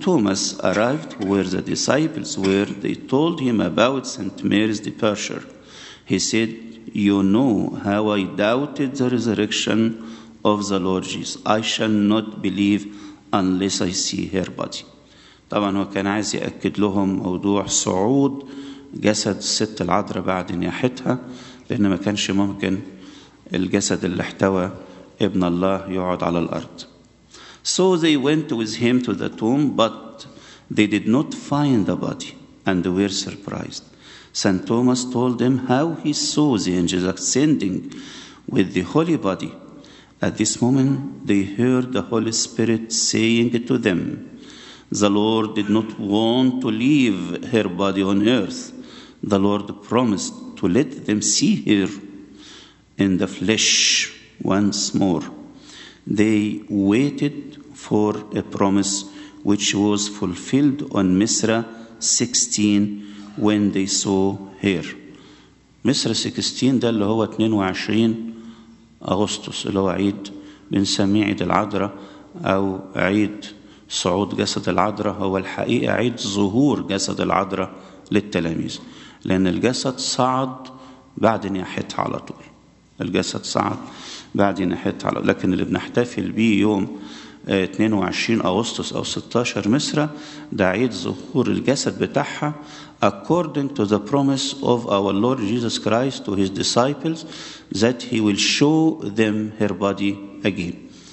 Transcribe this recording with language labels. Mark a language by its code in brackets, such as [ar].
[en] Thomas arrived where the disciples were, they told him about St. Mary's departure. He said, "You know how I doubted the resurrection of the Lord Jesus. I shall not believe unless I see her body." [ar] طبعا هو كان عايز يأكد لهم موضوع صعود جسد الست العذراء بعد نياحتها، لأن ما كانش ممكن الجسد اللي احتوى ابن الله يقعد على الأرض. [en] So they went with him to the tomb, but they did not find the body. and were surprised. St. Thomas told them how he saw the angels ascending with the holy body. At this moment, they heard the Holy Spirit saying to them, "The Lord did not want to leave her body on earth. The Lord promised to let them see her in the flesh once more." They waited for a promise which was fulfilled on Misra 16 when they saw her. [ar] Misra 16, ده اللي هو 22 أغسطس اللي هو عيد بنسميه عيد العذراء أو عيد صعود جسد العذراء. هو الحقيقة عيد ظهور جسد العذراء للتلاميذ، لأن الجسد صعد بعد ناحيتها على طول. الجسد صعد بعد ناحيتها على طول. لكن اللي بنحتفل به يوم 22 أغسطس أو 16 مصر ده عيد ظهور الجسد بتاعها [en] according to the promise of our Lord Jesus Christ to his disciples that he will show them her body again.